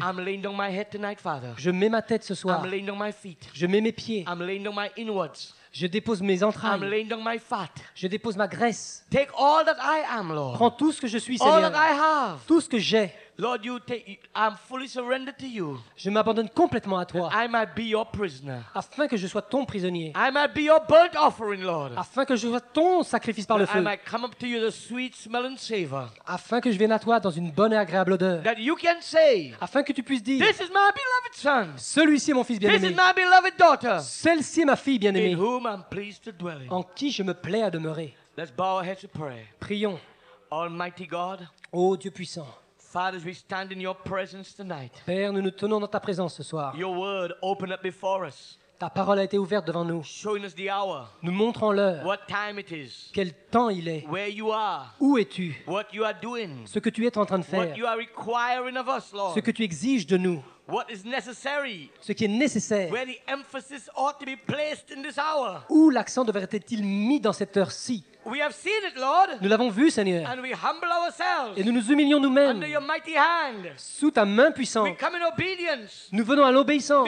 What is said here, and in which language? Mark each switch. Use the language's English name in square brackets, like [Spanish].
[English] I'm laying down my head tonight, Father. [French] Je mets ma tête ce soir. [English] I'm laying down my feet. [French] Je mets mes pieds. [English] I'm laying down my inwards. [French] Je dépose mes entrailles. [English] I'm laying down my fat. [French] Je dépose ma graisse. [English] Take all that I am, Lord. [French] Prends tout ce que je suis, Seigneur. [English] All that I have. [French] Tout ce que j'ai. [English] Lord, I'm fully surrendered to you. [French] Je m'abandonne complètement à toi. [English] I might be your prisoner. [French] Afin que je sois ton prisonnier. [English] I might be your burnt offering, Lord. [French] Afin que je sois ton sacrifice par le feu. [English] I might come up to you the sweet smelling savor. [French] Afin que je vienne à toi dans une bonne et agréable odeur. [English] That you can say. [French] Afin que tu puisses dire. [English] This is my beloved son. [French] Celui-ci est mon fils bien-aimé. [English] This is my beloved daughter. [French] Celle-ci est ma fille bien-aimée. [English] In whom I'm pleased to dwell. [French] En qui je me plais à demeurer. [English] Let's bow our heads to pray. [French] Prions. [English] Almighty God. [French] Ô Dieu puissant. [English] Father, as we stand in your presence tonight. [French] Père, nous nous tenons dans ta présence ce soir. [English] Your word opened up before us. [French] Ta parole a été ouverte devant nous. [English] Showing us the hour. [French] Nous montrant l'heure. [English] What time it is. [French] Quel temps il est. [English] Where you are. [French] Où es-tu. [English] What you are doing. [French] Ce que tu es en train de faire. [English] What you are requiring of us, Lord. [French] Ce que tu exiges de nous. [English] What is necessary. [French] Ce qui est nécessaire. [English] Where the emphasis ought to be placed in this hour. [French] Où l'accent devrait-il mis dans cette heure-ci. [English] We have seen it, Lord. [French] Nous l'avons vu, Seigneur. [English] And we humble ourselves. [French] Et nous nous humilions nous-mêmes. [English] Under your mighty hand. [French] Sous ta main puissante. [English] We come in obedience. [French] Nous venons à l'obéissance.